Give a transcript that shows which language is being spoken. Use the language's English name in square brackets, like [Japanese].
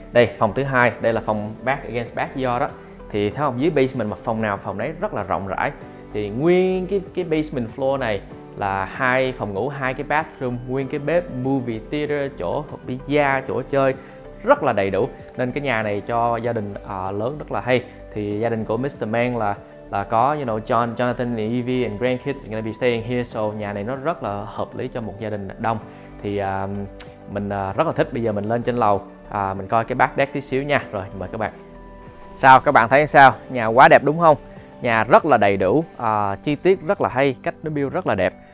[Vietnamese] Đây, phòng thứ hai, đây là phòng [English] back against backyard [Vietnamese] đó. Thì thấy không, dưới basement mà phòng nào phòng đấy rất là rộng rãi. Thì nguyên cái basement floor này là hai phòng ngủ, hai cái bathroom, nguyên cái bếp, movie theater, chỗ pizza, chỗ chơi rất là đầy đủ. Nên cái nhà này cho gia đình lớn rất là hay. Thì gia đình của Mr. [English] Mang [Vietnamese] là có, [English] you know, John, Jonathan, Evie and grandkids are gonna be staying here. [Vietnamese] So nhà này nó rất là hợp lý cho một gia đình đông. Thì mình rất là thích. Bây giờ mình lên trên lầu, mình coi cái back deck tí xíu nha. Rồi mời các bạn. Sao các bạn thấy sao? Nhà quá đẹp đúng không? Nhà rất là đầy đủ, chi tiết rất là hay, cách nó build rất là đẹp.